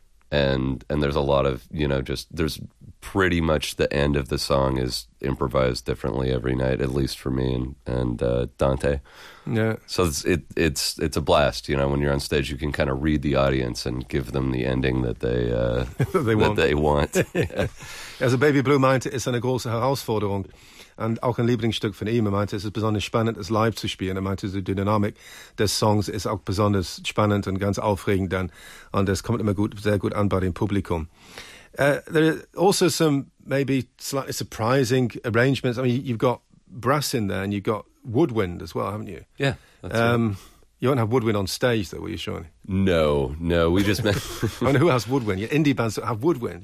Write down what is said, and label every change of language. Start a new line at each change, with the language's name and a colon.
English: And there's a lot of, you know, just there's pretty much the end of the song is improvised differently every night, at least for me and Dante. Yeah. So it's a blast, you know, when you're on stage, you can kind of read the audience and give them the ending that they want. Yeah.
German: Also Baby Blue meinte, ist eine große Herausforderung. Und auch ein Lieblingsstück von ihm, er meinte, es ist besonders spannend, es live zu spielen. Er meinte, die Dynamik des Songs ist auch besonders spannend und ganz aufregend dann. Und es kommt immer gut, sehr gut an bei dem Publikum.
English: There are also some maybe slightly surprising arrangements. I mean, you've got brass in there and you've got woodwind as well, haven't you? Yeah, that's right. You won't have woodwind on stage though, will you, Sean? No, we just met. I mean, who has woodwind? Your indie bands don't have woodwind.